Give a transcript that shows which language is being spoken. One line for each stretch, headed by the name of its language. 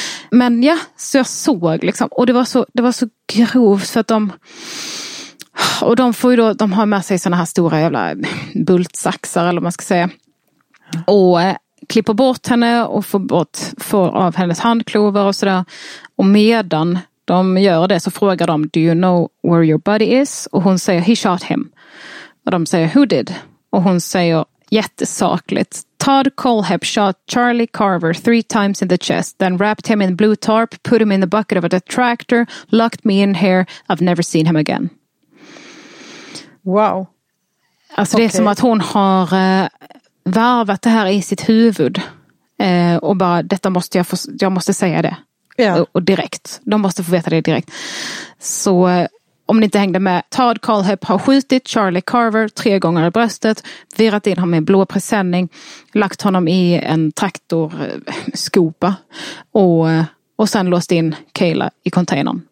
Swedish: Men ja, så jag såg liksom, och det var så grovt för att de får ju då, de har med sig såna här stora jävla bultsaxar eller vad man ska säga. Ja. Och klipper bort henne och får av hennes handklovar och sådär. Och medan de gör det så frågar de,
English: do you know where your buddy is?
Swedish: Och hon säger,
English: he shot him.
Swedish: Och de säger,
English: who did?
Swedish: Och hon säger, jättesakligt,
English: Todd Colheb shot Charlie Carver 3 times in the chest, then wrapped him in blue tarp, put him in the bucket of a tractor, locked me in here, I've never seen him again. Wow.
Swedish: Alltså okay. Det är som att hon har varvat det här i sitt huvud och bara, detta måste jag få, jag måste säga det. Yeah. Och direkt. De måste få veta det direkt. Så om ni inte hängde med, Todd Colheb har skjutit Charlie Carver 3 gånger i bröstet, virat in honom i en blå presenning, lagt honom i en traktorskopa och sen låst in Kayla i containern.